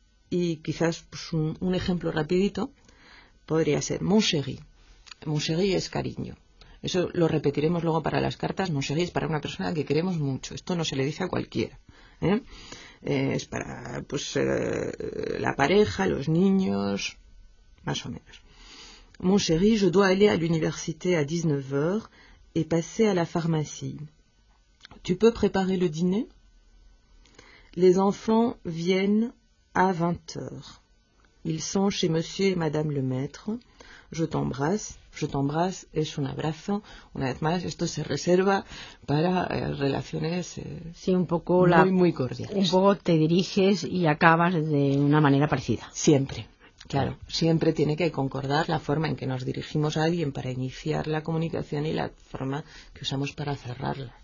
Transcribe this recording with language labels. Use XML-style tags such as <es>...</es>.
<es>Y quizás pues un ejemplo rapidito podría ser mon chéri. Mon chéri es cariño. Eso lo repetiremos luego para las cartas. Mon chéri es para una persona que queremos mucho. Esto no se le dice a cualquiera, ¿eh? Es para la pareja, los niños, más o menos.</es> <fr>Mon chéri, je dois aller à l'université à 19h et passer à la pharmacie. Tu peux préparer le dîner? Les enfants viennent à 20h. Ils sont chez monsieur et madame le maître. Je t'embrasse. Je t'embrasse</fr> <es>es un abrazo. Una vez más, esto se reserva para relaciones sí, un poco muy cordiales. Un poco te diriges y acabas de una manera parecida. Siempre. Claro, siempre tiene que concordar la forma en que nos dirigimos a alguien para iniciar la comunicación y la forma que usamos para cerrarla.</es>